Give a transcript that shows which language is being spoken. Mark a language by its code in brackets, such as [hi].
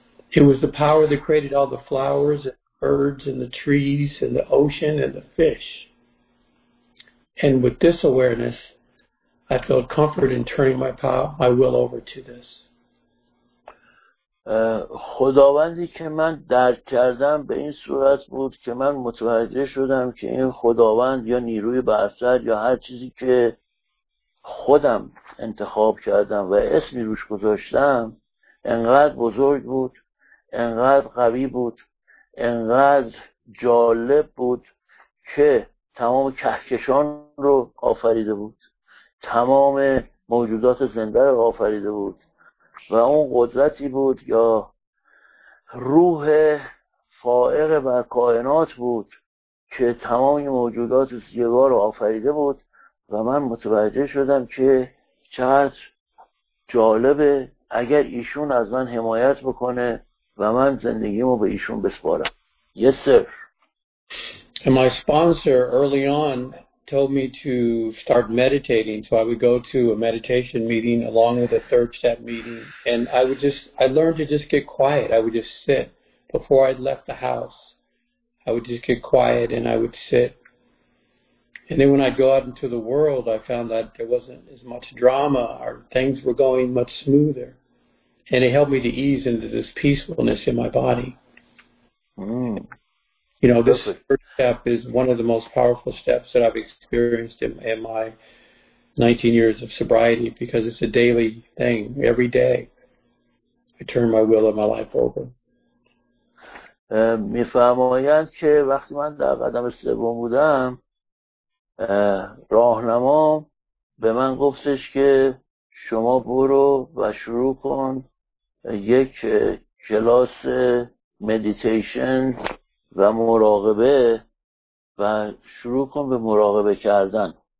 [en] It was the power that created all the flowers and birds and the trees and the ocean and the fish. And with this awareness, I felt comfort in turning my will over to this. [fa] خداوندی که من درک کردم به این صورت بود که من متوجه شدم که این خداوند یا نیروی برتر یا هر چیزی که خودم انتخاب کردم و اسمی روش گذاشتم انقدر بزرگ بود، انقدر قوی بود، انقدر جالب بود که تمام کهکشان رو آفریده بود، تمام موجودات زنده رو آفریده بود و اون قدرتی بود یا روح فائق بر کائنات بود که تمام موجودات زیبا رو آفریده بود و من متوجه شدم که چقدر جالبه اگر ایشون از من حمایت بکنه و من زندگیمو به ایشون بسپارم. [en] Yes, sir. And my sponsor early on told me to start meditating, so I would go to a meditation meeting along with a third step meeting, and I learned to just get quiet. I would just sit. Before I left the house, I would just get quiet and I would sit. And then when I'd go out into the world, I found that there wasn't as much drama, or things were going much smoother, and it helped me to ease into this peacefulness in my body. You know, this first step is one of the most powerful steps that I've experienced in my 19 years of sobriety because it's a daily thing. Every day, I turn my will and my life over. [fa] می فرمایند که وقتی من در قدم سوم بودم، راهنما به من گفتش که شما برو و شروع کن یک کلاس مدیتیشن و مراقبه و شروع کن به مراقبه کردن